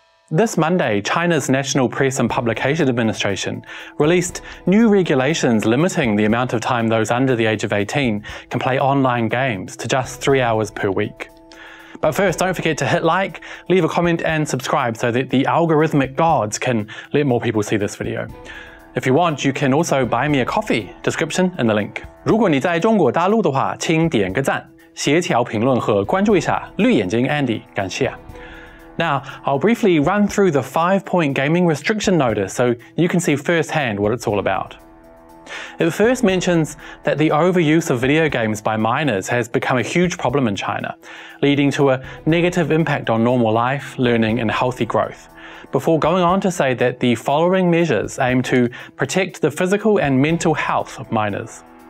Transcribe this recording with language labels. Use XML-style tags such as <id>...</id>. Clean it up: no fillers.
<en>This Monday, China's National Press and Publication Administration released new regulations limiting the amount of time those under the age of 18 can play online games to just 3 hours per week. But first, don't forget to hit like, leave a comment and subscribe so that the algorithmic gods can let more people see this video. If you want, you can also buy me a coffee, description in the link.</en> <zh>如果你在中国大陆的话, 请点个赞, 协调评论和关注一下, 绿眼睛Andy, 感谢。</zh> <en>Now, I'll briefly run through the 5-point gaming restriction notice so you can see firsthand what it's all about. It first mentions that the overuse of video games by minors has become a huge problem in China, leading to a negative impact on normal life, learning, and healthy growth, before going on to say that the following measures aim to protect the physical and mental health of minors.</en>